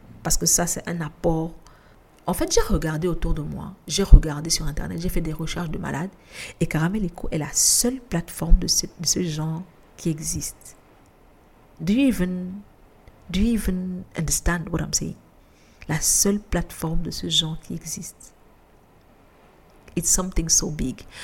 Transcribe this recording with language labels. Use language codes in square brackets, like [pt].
[fr] Parce que ça, c'est un apport. En fait, j'ai regardé autour de moi, j'ai regardé sur Internet, j'ai fait des recherches de malades, et Caramel Echo est la seule plateforme de ce genre qui existe. [en] Do you even understand what I'm saying? [fr] La seule plateforme de ce genre qui existe. [en] It's something so big.